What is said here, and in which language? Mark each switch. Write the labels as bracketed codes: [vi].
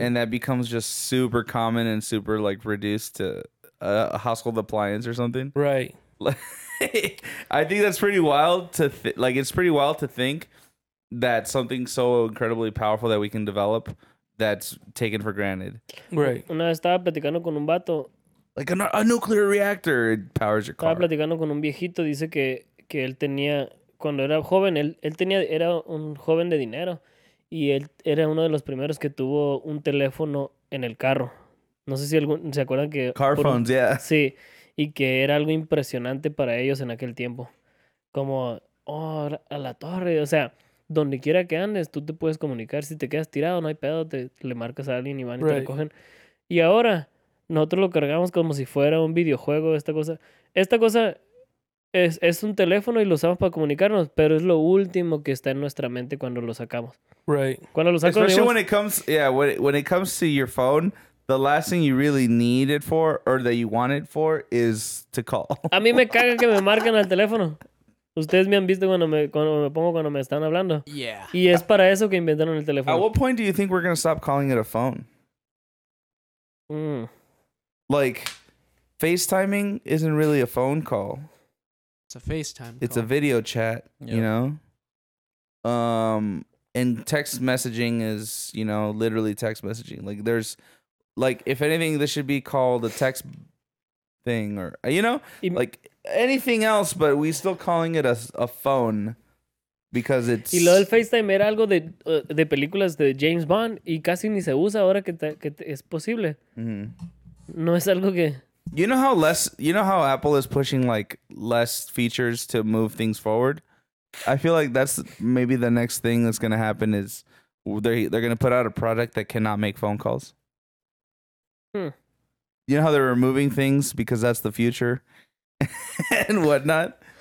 [en] And that becomes just super common and super, like, reduced to... a household appliance or something. Right. I think that's pretty wild to think that something so incredibly powerful that we can develop that's taken for granted. Right. [es] Una vez estaba platicando con un vato. [en] Like a nuclear reactor powers your car. [es] Estaba platicando con un viejito, dice que él tenía, cuando era joven, él tenía, era un joven de dinero. Y él era uno de los primeros que tuvo un teléfono en el carro. No sé si algún, se acuerdan que... [en] Car phones, yeah. [es] Sí, y que era algo impresionante para ellos en aquel tiempo. Como, oh, a la torre. O sea, donde quiera que andes, tú te puedes comunicar. Si te quedas tirado, no hay pedo, le marcas a alguien y van y right. te recogen. Y ahora, nosotros lo cargamos como si fuera un videojuego, esta cosa. Esta cosa es un teléfono y lo usamos para comunicarnos, pero es lo último que está en nuestra mente cuando lo sacamos. [en] Right. [es] Cuando lo sacamos... [en] Especially when it comes... Yeah, when it comes to your phone... The last thing you really need it for or that you want it for is to call. [es] A mí me caga que me marquen al teléfono. Ustedes me han visto cuando me pongo cuando me están hablando. [en] Yeah. [es] Y es para eso que inventaron el teléfono. [en] At what point do you think we're going to stop calling it a phone? Mm. Like, FaceTiming isn't really a phone call. It's a FaceTime call. It's a video chat, yep. you know? And text messaging is, you know, literally text messaging. Like, there's... Like, if anything, this should be called a text thing or, you know, like anything else, but we still calling it a phone because it's... [es] Y lo del FaceTime era algo de películas de James Bond y casi ni se usa ahora que es posible. Mm-hmm. No es algo que... [en] You know how Apple is pushing, like, less features to move things forward? I feel like that's maybe the next thing that's going to happen is they're going to put out a product that cannot make phone calls. You know how they're removing things because that's the future and whatnot.